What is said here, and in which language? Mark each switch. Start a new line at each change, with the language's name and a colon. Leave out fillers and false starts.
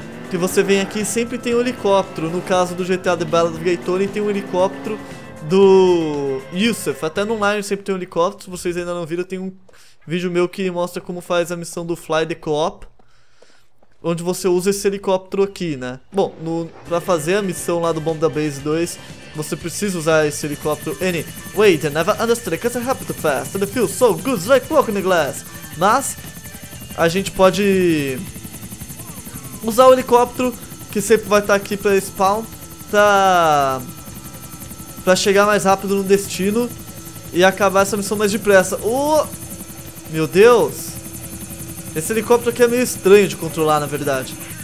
Portuguese: Que você vem aqui e sempre tem um helicóptero. No caso do GTA The Ballad of Gay Tony, tem um helicóptero do Yusuf. Até no online sempre tem um helicóptero. Se vocês ainda não viram, tem um vídeo meu que mostra como faz a missão do Fly the Co-op. Onde você usa esse helicóptero aqui, né? Bom, no, pra fazer a missão lá do Bomb da Base 2, você precisa usar esse helicóptero.
English: Wait, I never understood, it can't happen too fast, and it feels so good, it's like walking the glass.
Portuguese: Mas, a gente pode usar o helicóptero, que sempre vai estar aqui pra spawn, pra chegar mais rápido no destino e acabar essa missão mais depressa. Oh, meu Deus. Esse helicóptero aqui é meio estranho de controlar, na verdade.